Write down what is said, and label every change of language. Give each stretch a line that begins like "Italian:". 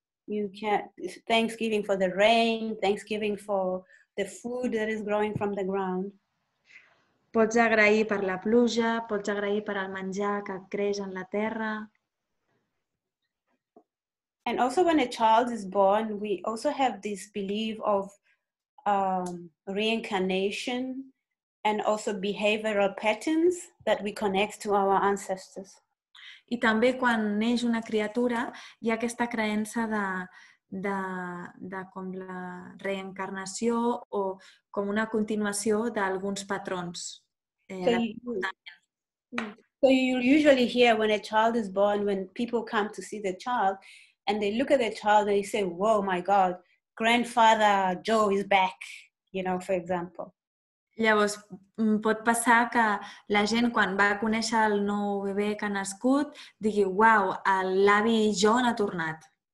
English: You can thanksgiving for the rain, thanksgiving for the food that is growing from the ground.
Catalan: Pots agrair per la pluja, pots agrair per el menjar que creix en la terra.
English: And also when a child is born, we also have this belief of reincarnation and also behavioral patterns that we connect to our ancestors.
Catalan: I també quan neix una criatura, hi ha aquesta creença de com la reencarnació o com una continuació d'alguns patrons.
English: So you usually hear when a child is born, when people come to see the child and they look at the child and they say, whoa, my God, grandfather Joe is back, you know, for example.
Catalan: Llavors, pot passar que la gent quan va conèixer el nou bebè que ha nascut digui, wow, l'avi John ha tornat.